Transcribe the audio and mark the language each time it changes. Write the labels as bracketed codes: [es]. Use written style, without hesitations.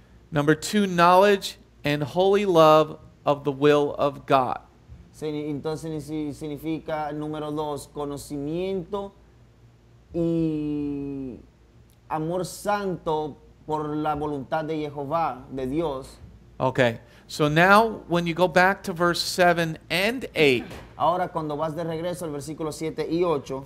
[en] Number two, knowledge and holy love of the will of God. [es] Entonces significa número dos, conocimiento y amor santo por la voluntad de Jehová, de Dios. [en] Okay, so now when you go back to verse 7 and 8, [es] ahora cuando vas de regreso al versículo 7 y 8,